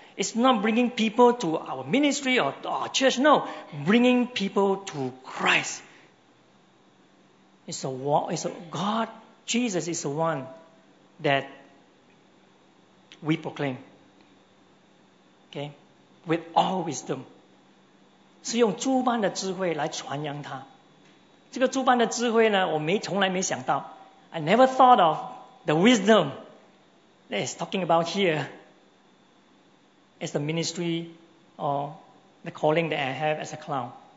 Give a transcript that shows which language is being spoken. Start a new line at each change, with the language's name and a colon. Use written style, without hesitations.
English: It's not bringing people to our ministry or our church, no. Bringing people to Christ. God, Jesus is the one that we proclaim, okay, with all wisdom.
Chinese: 是用诸般的智慧来传扬他。这个诸般的智慧呢，我从来没想到。
English: I never thought of the wisdom that is talking about here as the ministry or the calling that I have as a clown.